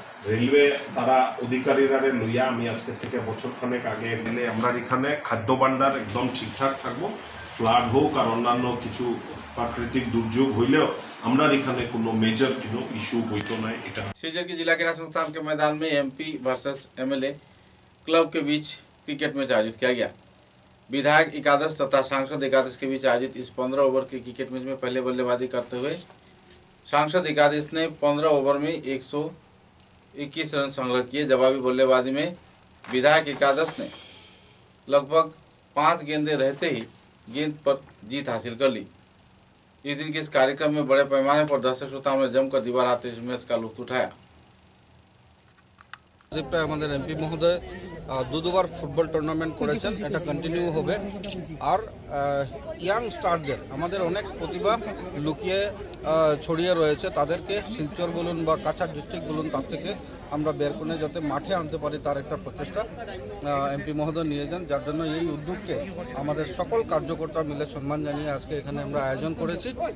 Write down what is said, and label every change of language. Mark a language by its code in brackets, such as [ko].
[bn] Railway তারা অধিকারীরা লইয়া আমি আজকে থেকে বছর খানেক আগে গেলে আমরা এখানে খাদ্য ভাণ্ডার একদম ঠিকঠাক থাকবো, ফ্লাড হোক আর অন্যান্য কিছু প্রাকৃতিক দুর্যোগ হইলেও আমরা এখানে কোনো মেজর কোনো ইস্যু হইতো না। এটা [hi] শিলচর জেলা ক্রীড়া সংস্থানকে ময়দান মে এমপি ভার্সেস এমএলএ ক্লব কে বিচ ক্রিকেট ম্যাচ আয়োজিত কিয়া গিয়া। विधायक एकादश तथा सांसद एकादश के बीच आयोजित इस 15 ओवर के क्रिकेट मैच में पहले बल्लेबाजी करते हुए सांसद एकादश ने 15 ओवर में 121 रन संग्रह किए। जवाबी बल्लेबाजी में विधायक एकादश ने लगभग 5 गेंदे रहते ही गेंद पर जीत हासिल कर ली। इस दिन के इस कार्यक्रम में बड़े पैमाने पर दर्शक श्रोताओं ने जमकर दीवार आते इस मैच का लुत्फ उठाया। [bn] আমাদের এমপি মহোদয় দুবার ফুটবল টুর্নামেন্ট করেছেন, এটা কন্টিনিউ হবে। আর ইয়াং স্টারদের, আমাদের অনেক প্রতিভা লুকিয়ে ছড়িয়ে রয়েছে, তাদেরকে শিলচর বলুন বা কাছাড় ডিস্ট্রিক্ট বলুন, তার থেকে আমরা বের করে যাতে মাঠে আনতে পারি তার একটা প্রচেষ্টা এমপি মহোদয় নিয়ে যান, যার জন্য এই উদ্যোগকে আমাদের সকল কার্যকর্তা মিলে সম্মান জানিয়ে আজকে এখানে আমরা আয়োজন করেছি।